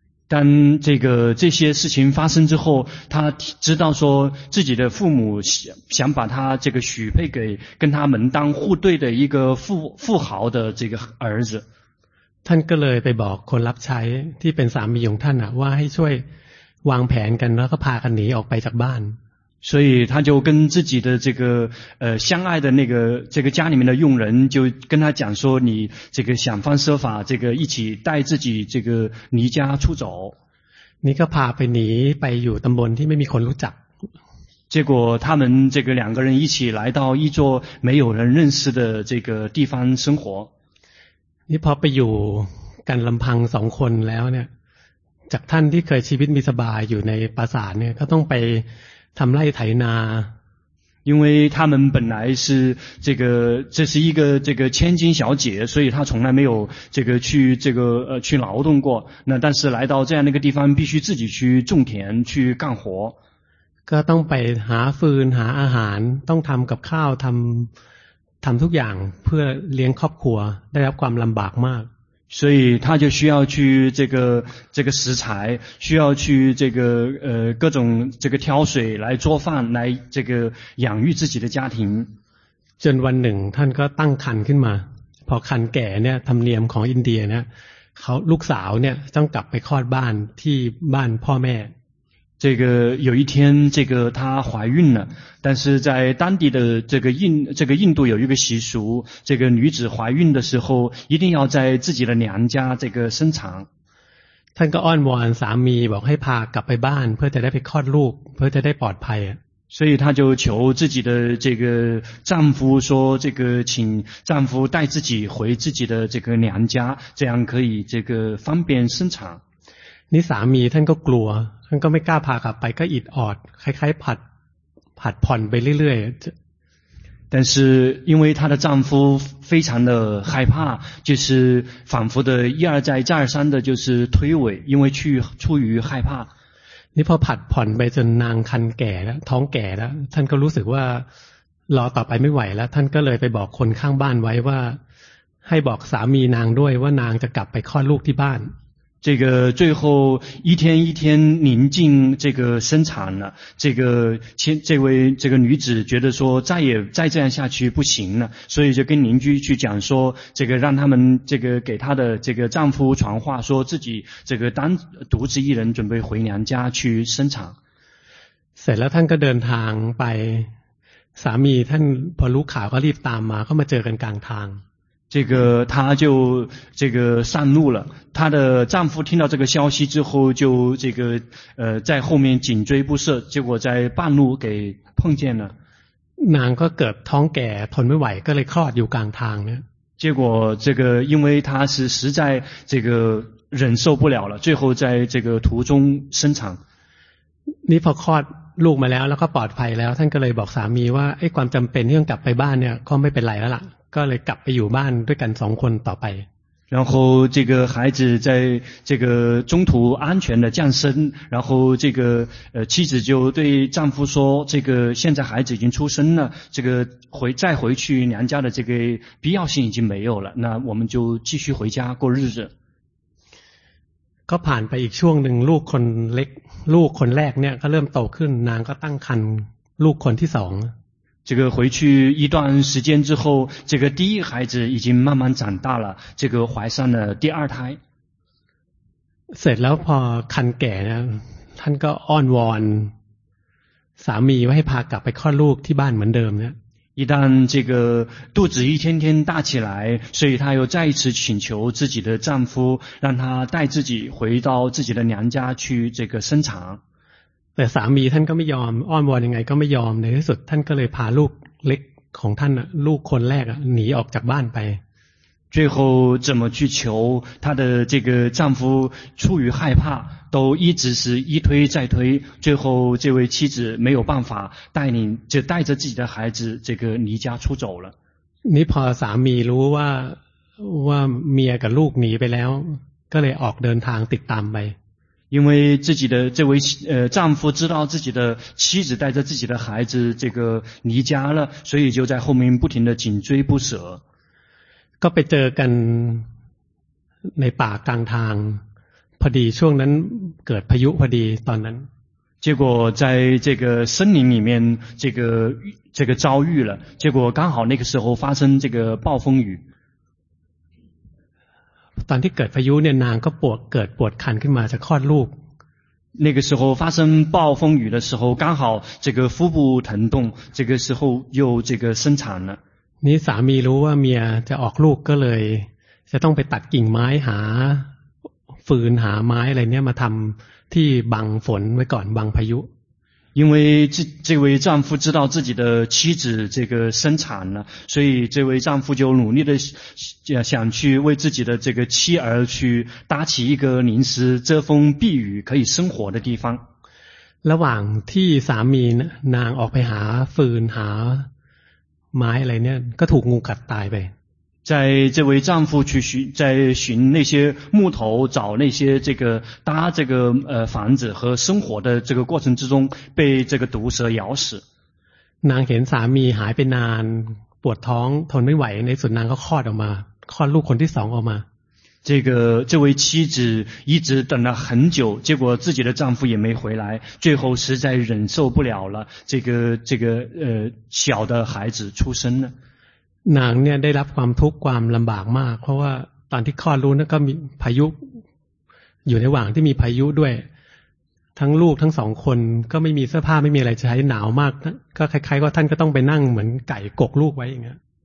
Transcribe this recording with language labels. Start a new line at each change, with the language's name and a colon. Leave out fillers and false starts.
Chinese: 但这些事情发生之后他知道说自己的父母想把他这个许配给跟他门当户对的一个富豪的这个儿子
Thai: ท่านก็เลยไปบอกคนรับใช้ที่เป็นสามีของท่านว่าให้ช่วยวางแผนกันแล้วก็พากันหนีออกไปจากบ้าน
Chinese: 所以他就跟自己的这个相爱的那个这个家里面的佣人就跟他讲说你这个想方设法这个一起带自己这个离家出走
Thai: 你ก็พาไปหนีไปอยู่ตำบลที่ไม่มีคนรู้จัก
Chinese: 结果他们这个两个人一起来到一座没有人认识的这个地方生活
Thai: นี่พอไปอยู่กันลำพังสองคนแล้วเนี่ยจากท่านที่เคยชีวิตมีสบายอยู่ในปราสาทเนี่ยก็ต้องไปทำไร่ไถนา
Chinese: 因为他们本来是这是一个这个千金小姐所以她从来没有这个去这个去劳动过那但是来到这样的一个地方必须自己去种田去干活
Thai: ก็ต้องไปหาฟืนหาอาหารต้องทำกับข้าวทำทุกอย่างเพื่อเลี้ยงครอบครัวได้รับความลำบากมาก
Chinese: 所以他就需要去这个食材需要去这个各种这个挑水来做饭来这个养育自己的家庭
Thai: จนวันหนึ่งท่านก็ตั้งครรภ์ขึ้นมาพอครรภ์แก่เนี่ยธรรมเนียมของอินเดียเนี่ยเขาลูกสาวเนี่ยต้องกลับไปคลอดบ้านที่บ้านพ่อแม่
Chinese: 这个有一天这个她怀孕了但是在当地的这个印度有一个习俗这个女子怀孕的时候一定要在自己的娘家这个生产
Thai: ท่านก็อ้อนวอนสามีบอกให้พากลับไปบ้านเพื่อจะได้ไปคลอดลูกเพื่อจะได้ปลอดภัย
Chinese: 所以她就求自己的这个丈夫说这个请丈夫带自己回自己的这个娘家这样可以这个方便生产
Thai: นี่สามีท่านก็กลัวท่านก็ไม่กล้าพากลับไปก็อิดออดคล้ายๆผัดผ่อนไปเรื่อย
Chinese: ๆ但是因为她的丈夫非常的害怕就是反复的一而再再而三的就是推诿因为出于害怕
Thai: นี่พอผัดผ่อนไปจนนางครรภ์แก่แล้วท้องแก่แล้วท่านก็รู้สึกว่ารอต่อไปไม่ไหวแล้วท่านก็เลยไปบอกคนข้างบ้านไว้ว่าให้บอกสามีนางด้วยว่านางจะกลับไปคลอดลูกที่บ้าน
Chinese: 这个最后一天一天临近这个生产了这个这位这个女子觉得说再这样下去不行了所以就跟邻居去讲说这个让他们这个给她的这个丈夫传话说自己这个单独自一人准备回娘家去生产
Thai: เสร็จแล้วท่านก็เดินทางไปสามีท่านพอรู้ข่าวก็รีบตามมาก็มาเจอกันกลางทาง
Chinese: 这个她就这个上路了她的丈夫听到这个消息之后就这个在后面紧追不舍结果在半路给碰见了男哥哥同给吞没歪哥来靠有港堂呢结果这个因为她是实在这个忍受不了了最后在这个途中生产
Thai: 你跑靠ลูกมาแล้วแล้วก็ปลอดภัยแล้วท่านก็เลยบอกสามีว่าไอ้ความจำเป็นที่ต้องกลับไปบ้านเนี่ยก็ไม่เป็นไรแล้วล่ะก็เลยกลับไปอยู่บ้านด้วยกันสองคนต่อไป
Chinese: 然后这个孩子在这个中途安全的降生然后这个妻子就对丈夫说这个现在孩子已经出生了这个再回去娘家的这个必要性已经没有了那我们就继续回家过日子
Thai: ก็ผ่านไปอีกช่วงหนึ่งลูกคนเล็กลูกคนแรกเนี่ยก็เริ่มโตขึ้นนางก็ตั้งครรภ์ลูกคนที่สอง
Chinese: 这个回去一段时间之后，这个第一孩子已经慢慢长大了，这个怀上了第二胎。
Thai: เสร็จแล้วพอคันแก่นะท่านก็อ้อนวอนสามีว่าให้พากลับไปคลอดลูกที่บ้านเหมือนเดิมเนี่ย
Chinese: 一旦这个肚子一天天大起来，所以他又再一次请求自己的丈夫，让他带自己回到自己的娘家去这个生产。
Thai: แต่สามีท่านก็ไม่ยอมอ้อนวอนยังไงก็ไม่ยอมในที่สุดท่านก็เลยพาลูกเล็กของท่านลูกคนแรกหนีออกจากบ้านไป
Chinese: 最后怎么去求他的这个丈夫出于害怕都一直是一推再推最后这位妻子没有办法带领就带着自己的孩子这个离家出走了
Thai: 你พอสามีรู้ว่าเมียกับลูกหนีไปแล้วก็เลยออกเดินทางติดตามไป
Chinese: 因为自己的这位丈夫知道自己的妻子带着自己的孩子这个离家了所以就在后面不停的紧追不舍
Thai: ก็ไปเจอกันในป่ากลางทางพอดีช่วงนั้นเกิดพายุพอดีตอนนั้น
Chinese: 结果在这个森林里面这个遭遇了结果刚好那个时候发生这个暴风雨
Thai: ตอนที่เกิดพายุเนี่ยนางก็ปวดครรภ์ขึ้นมาจะคลอดลูก
Chinese: 那个时候发生暴风雨的时候刚好这个腹部疼痛这个时候又这个生产了
Thai: นี่สามีรู้ว่าเมียจะออกลูกก็เลยจะต้องไปตัดกิ่งไม้หาฟืนหาไม้อะไรเนี่ยมาทำที่บังฝนไว้ก่อนบังพายุ
Chinese: 因为这位丈夫知道自己的妻子这个生产了所以这位丈夫就努力的想去为自己的这个妻儿去搭起一个临时遮风避雨可以生活的地方
Thai: ระหว่างที่สามีนางออกไปหาฟืนหาไม้อะไรเนี่ยก็ถูกงูกัดตายไป
Chinese: 在这位丈夫去寻在寻那些木头找那些这个搭这个房子和生活的这个过程之中被这个毒蛇咬死
Thai: นางเห็นสามีหายไปนานปวดท้องทนไม่ไหวในสุดนางก็คลอดออกมาคลอดลูกคนที่สองออกมา
Chinese: 这位妻子一直等了很久结果自己的丈夫也没回来最后实在忍受不了了这个小的孩子出生了
Thai: นางเนี่ยได้รับความทุกข์ความลำบากมากเพราะว่าตอนที่คลอดลูกนั้นก็มีพายุอยู่ในหว่างที่มีพายุด้วยทั้งลูกทั้งสองคนก็ไม่มีเสื้อผ้าไม่มีอะไรใช้หนาวมากก็คล้ายๆว่าท่านก็ต้องไปนั่งเหมือนไก่กกลูกไว้อย่างเงี้ย